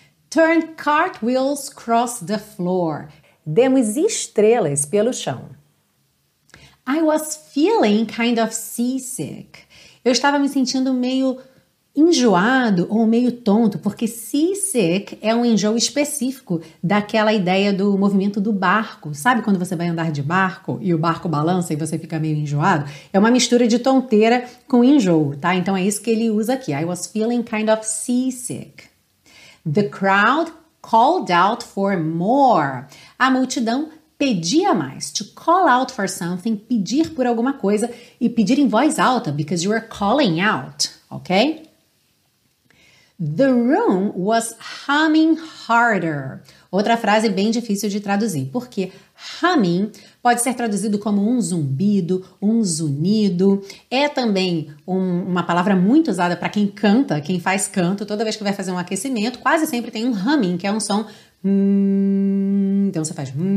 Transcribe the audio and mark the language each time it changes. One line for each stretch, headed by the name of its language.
English: Turn cartwheels across the floor.
Portuguese: Demos estrelas pelo chão.
English: I was feeling kind of seasick.
Portuguese: Eu estava me sentindo meio enjoado ou meio tonto, porque seasick é um enjoo específico daquela ideia do movimento do barco. Sabe quando você vai andar de barco e o barco balança e você fica meio enjoado? É uma mistura de tonteira com enjoo, tá? Então é isso que ele usa aqui.
English: I was feeling kind of seasick. The crowd called out for more.
Portuguese: A multidão pedia mais.
English: To call out for something,
Portuguese: pedir por alguma coisa e pedir em voz alta,
English: because you are calling out,
Portuguese: ok?
English: The room was humming harder.
Portuguese: Outra frase bem difícil de traduzir, porque humming pode ser traduzido como um zumbido, um zunido. É também uma palavra muito usada para quem canta, quem faz canto. Toda vez que vai fazer um aquecimento, quase sempre tem um humming, que é um som. Então você faz.